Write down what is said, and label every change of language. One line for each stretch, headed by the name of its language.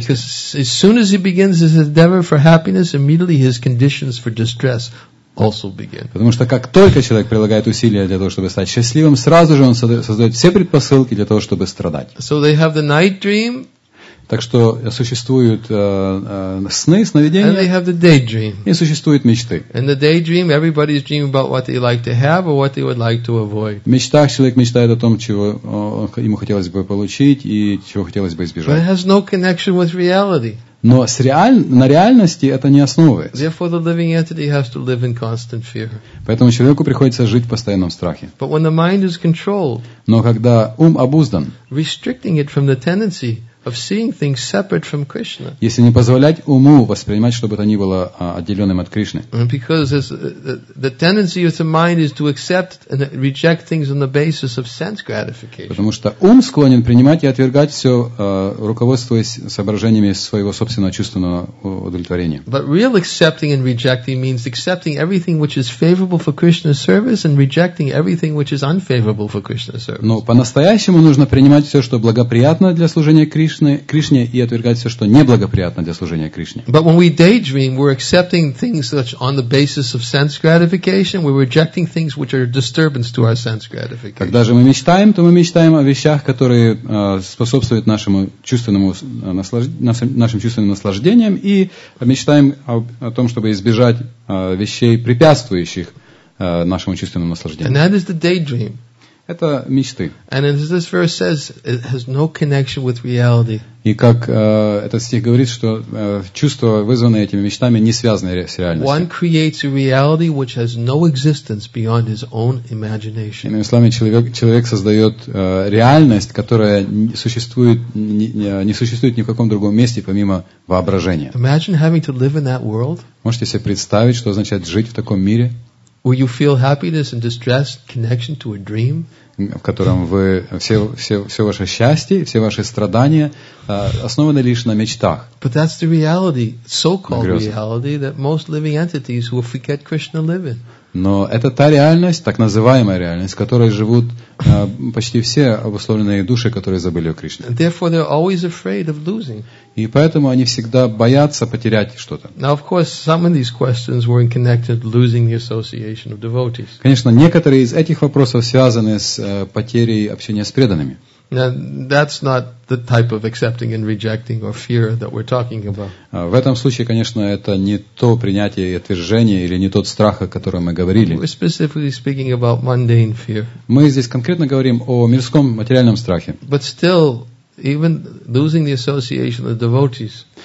English: Because as soon as he begins his endeavor for happiness, immediately his conditions for distress also begin.
Russian: Потому что как только человек прилагает усилия для того, чтобы стать счастливым, сразу же он создает все предпосылки для того, чтобы страдать.
English: So they have the night dream.
Russian: Так что существуют сны, сновидения.
English: And they have the daydream.
Russian: И существуют мечты.
English: In the daydream, everybody's dreaming about what they like to have or what they would like to avoid.
Russian: В мечтах человек мечтает о том, чего ему хотелось бы получить и чего хотелось бы избежать.
English: But it has no connection with reality.
Russian: Но на реальности это не основывается.
English: Therefore, the living entity has to live in constant fear.
Russian: Поэтому человеку приходится жить в постоянном страхе.
English: But when the mind is controlled,
Russian: но когда ум обуздан,
English: restricting it from the tendency of seeing things separate from Krishna.
Russian: Если не позволять уму воспринимать, чтобы это ни было отделенным от Кришны.
English: Because the tendency of the mind is to accept and reject things on the basis of sense gratification.
Russian: Потому что ум склонен принимать и отвергать все, руководствуясь соображениями своего собственного чувственного удовлетворения.
English: But real accepting and rejecting means accepting everything which is favorable for Krishna's service and rejecting everything which is unfavorable for Krishna's service.
Russian: Но по-настоящему нужно принимать все, что благоприятно для служения Кришне и отвергать все, что неблагоприятно для служения Кришне.
English: But when we daydream, we're accepting things which on the basis of sense gratification, we're rejecting things which are disturbance to our sense gratification.
Russian: Когда же мы мечтаем, то мы мечтаем о вещах, которые способствуют нашему чувственному нашим чувственным наслаждениям и мечтаем о том, чтобы избежать вещей, препятствующих нашему чувственному наслаждению.
English: And that is the daydream.
Russian: Это мечты.
English: And as this verse says, it has no connection with reality.
Russian: И как этот стих говорит, что чувства, вызванные этими мечтами, не связаны с реальностью.
English: One creates a reality which has no existence beyond his own imagination.
Russian: Иными словами, человек создает реальность, которая не существует ни в каком другом месте, помимо воображения.
English: Imagine having to live in that world.
Russian: Можете себе представить, что означает жить в таком мире?
English: Will you feel happiness and distress connection to a dream?
Russian: В котором вы все ваше счастье, все ваши страдания основаны лишь на мечтах.
English: But that's the reality, so-called reality, that most living entities will forget Krishna live in.
Russian: Но это та реальность, так называемая реальность, в которой живут почти все обусловленные души, которые забыли о Кришне.
English: And therefore they're always afraid of losing.
Russian: И поэтому они всегда боятся потерять что-то.
English: Now, of course, some of these questions were connected to losing the association of devotees.
Russian: Конечно, некоторые из этих вопросов связаны с потерей общения с преданными.
English: Now, that's not the type of accepting and rejecting or fear that we're talking about.
Russian: В этом случае, конечно, это не то принятие и отвержение или не тот страх, о котором мы говорили.
English: We're specifically speaking about mundane fear.
Russian: Мы здесь конкретно говорим о мирском материальном страхе.
English: But still, even losing the association of devotees.